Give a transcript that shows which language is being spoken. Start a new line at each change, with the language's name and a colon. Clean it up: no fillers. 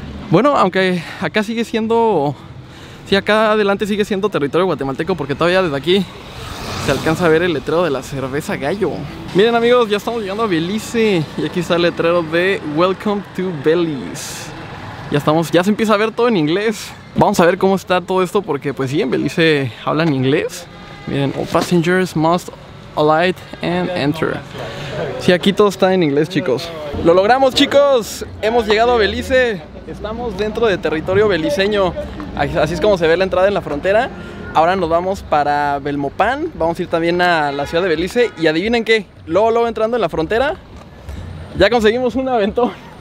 Spanish: Bueno, aunque acá sigue siendo, sí, acá adelante sigue siendo territorio guatemalteco, porque todavía desde aquí se alcanza a ver el letrero de la cerveza Gallo. Miren, amigos, ya estamos llegando a Belice y aquí está el letrero de
English: Welcome to Belize.
Spanish: Ya se empieza a ver todo en inglés. Vamos a ver cómo está todo esto, porque pues sí, en Belice hablan inglés. Miren,
English: all passengers must alight and enter.
Spanish: Sí, aquí todo está en inglés, chicos. ¡Lo logramos, chicos! ¡Hemos llegado a Belice! Estamos dentro de territorio beliceño. Así es como se ve la entrada en la frontera. Ahora nos vamos para Belmopán. Vamos a ir también a la ciudad de Belice. Y adivinen qué, luego, luego entrando en la frontera, ya conseguimos un aventón.